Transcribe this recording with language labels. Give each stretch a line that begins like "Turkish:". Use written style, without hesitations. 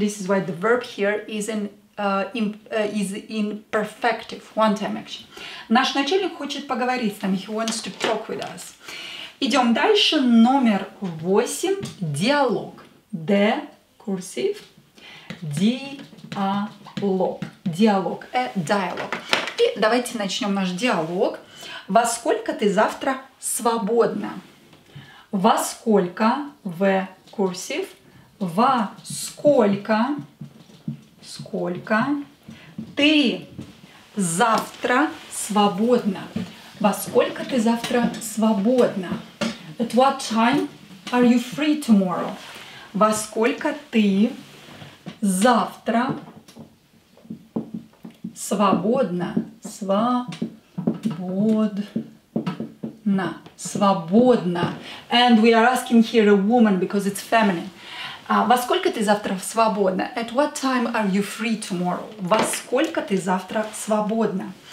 English: This is why the verb here is in perfective. One-time action.
Russian: Наш начальник хочет поговорить с нами.
English: He wants to talk with us.
Russian: Идем дальше. Номер 8. Диалог.
English: The cursive,
Russian: диалог, диалог,
English: a dialogue.
Russian: И давайте начнем наш диалог. Во сколько ты завтра свободна? Во сколько,
English: the cursive,
Russian: во сколько, сколько ты завтра свободна? Во сколько ты завтра свободна?
English: At what time are you free tomorrow?
Russian: Во сколько ты завтра свободна? Свободна. Свободна.
English: And we are asking here a woman because it's feminine.
Russian: Во сколько ты завтра свободна?
English: At what time are you free tomorrow?
Russian: Во сколько ты завтра свободна?